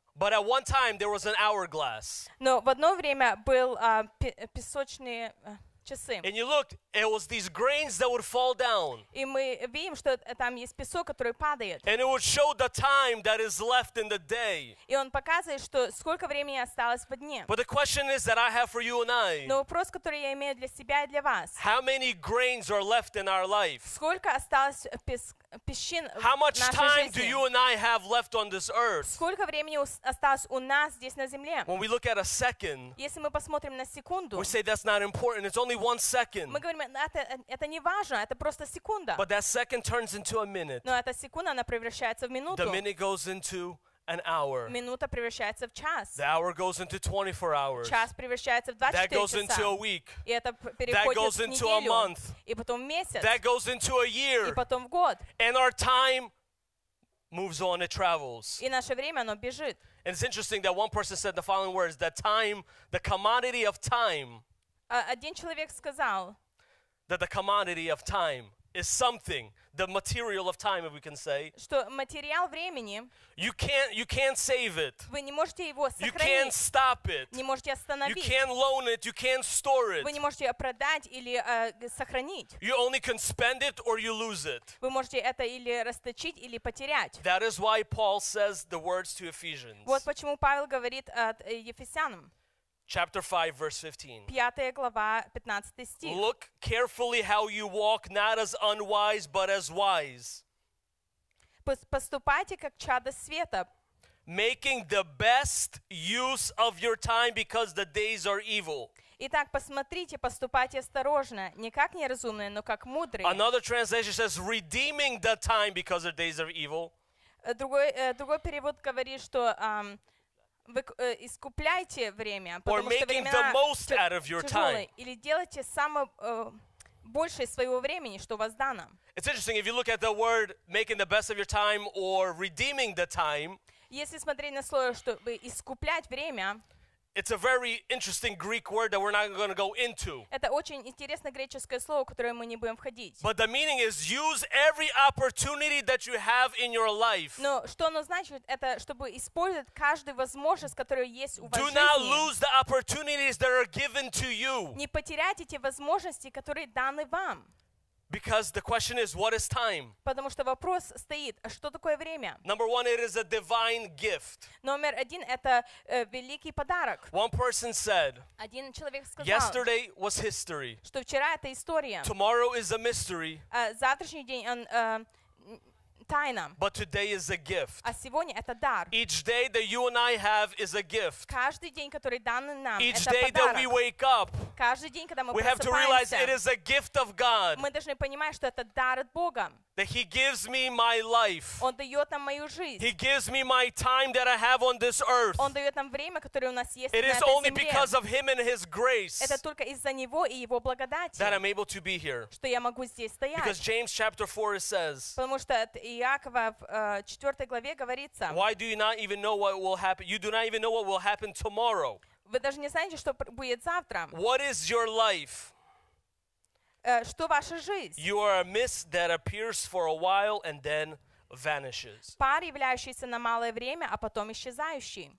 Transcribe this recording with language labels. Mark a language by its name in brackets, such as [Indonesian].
[English] But at one time there was an hourglass. [Russian] Но в одно время был песочные часы. [English] And you looked, it was these grains that would fall down. [Russian] И мы видим, что там есть песок, который падает. [English] And it would show the time that is left in the day. [Russian] И он показывает, что сколько времени осталось в дне. [English] But the question is that I have for you and I. [Russian] Но вопрос, который я имею для себя и для вас. [English] How many grains are left in our life? [Russian] Сколько осталось песка? [English] How much time do you and I have left on this earth? [Russian] Сколько времени осталось у нас здесь на земле? [English] When we look at a second, [Russian] если мы посмотрим на секунду, [English] we say that's not important. It's only 1 second. [Russian] Мы говорим, это не важно, это просто секунда. [English] But that second turns into a minute. [Russian] Но эта секунда она превращается в минуту. [English] The minute goes into an hour. [Russian] Минута превращается в час. [English] The hour goes into 24 hours. [Russian] Час превращается в 24 часа. [English] That goes into a week. [Russian] И это переходит в неделю. [English] That goes into a month. [Russian] И потом в месяц. [English] That goes into a year. [Russian] И потом в год. [English] And our time moves on, it travels. [Russian] И наше время, оно бежит. [English] And it's interesting that one person said the following words, that time, the commodity of time. [Russian] Один человек сказал, [English] that the commodity of time is something, the material of time, if we can say. [Russian] Что материал времени. [English] You can't save it. [Russian] Вы не можете его сохранить. [English] You can't stop it. [Russian] Не можете остановить. [English] You can't loan it. You can't store it. [Russian] Вы не можете продать или сохранить. [English] You only can spend it or you lose it. [Russian] Вы можете это или расточить, или потерять. [English] That is why Paul says the words to Ephesians. [Russian] Вот почему Павел говорит Ефесянам. [English] Chapter 5, verse 15. [Russian] Пятая глава, 15 стих. [English] Look carefully how you walk, not as unwise, but as wise. [Russian] Поступайте как чадо света. [English] Making the best use of your time, because the days are evil. [Russian] Итак, посмотрите, поступайте осторожно, не как неразумные, но как мудрые. [English] Another translation says, redeeming the time, because the days are evil. [Russian] Другой перевод говорит, что... Вы искупляйте время, потому что времена тяжелые, или делайте самое большее своего времени, что у вас дано. [English] It's interesting if you look at the word making the best of your time or redeeming the time. [Russian] Если смотреть на слово, чтобы искуплять время. [English] It's a very interesting Greek word that we're not going to go into. [Russian] Это очень интересное греческое слово, в которое мы не будем входить. [English] But the meaning is use every opportunity that you have in your life. [Russian] Но что оно значит? Это чтобы использовать каждую возможность, которая есть у вас в жизни. [English] Do not lose the opportunities that are given to you. [Russian] Не потеряйте те возможности, которые даны вам. [English] Because the question is, what is time? [Russian] Потому что вопрос стоит, что такое время? [English] Number one, it is a divine gift. [Russian] Номер один, это великий подарок. [English] One person said, [Russian] один человек сказал, [English] yesterday was history. [Russian] Что вчера это история. [English] Tomorrow is a mystery. [Russian] Завтрашний день, он тайна. [English] But today is a gift. [Russian] А сегодня это дар. [English] Each day that you and I have is a gift. [Russian] Каждый день, который дан нам, это подарок. [English] Each day that we wake up, [Russian] каждый день, когда мы [English] we have to realize it is a gift of God. [Russian] Мы должны понимать, что это дар от Бога. [English] That He gives me my life. [Russian] Он дает нам мою жизнь. [English] He gives me my time that I have on this earth. [Russian] Он дает нам время, которое у нас есть на этой земле. [English] It is only because of Him and His grace. [Russian] Это только из-за Него и Его благодати. [English] That I'm able to be here. [Russian] Что я могу здесь стоять. [English] Because James chapter 4 says. [Russian] Потому что от Иакова в 4 главе говорится. [English] Why do you not even know what will happen? You do not even know what will happen tomorrow. [Russian] Вы даже не знаете, что будет завтра. [English] What is your life? [Russian] Что ваша жизнь? [English] You are a mist that appears for a while and then vanishes. [Russian] Пар, являющийся на малое время, а потом исчезающий.